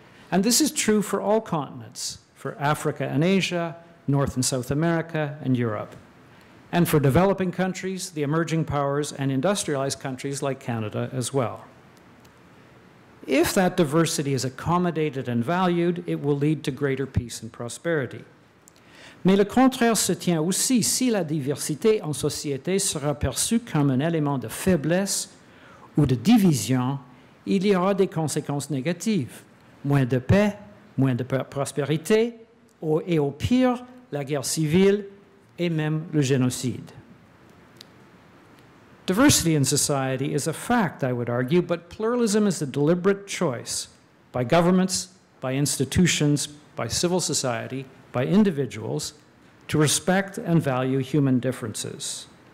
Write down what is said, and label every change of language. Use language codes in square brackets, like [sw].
[en] And this is true for all continents, for Africa and Asia, North and South America, and Europe. And for developing countries, the emerging powers, and industrialized countries like Canada as well. If that diversity is accommodated and valued, it will lead to greater peace and prosperity. [fr] Mais le contraire se tient aussi si la diversité en société sera perçue comme un élément de faiblesse ou de division, il y aura des conséquences négatives. Moins de paix, moins de prospérité, et au pire, la guerre civile et même le génocide. [en] Diversity in society is a fact, I would argue, but pluralism is a deliberate choice by governments, by institutions, by civil society, by individuals, to respect and value human differences.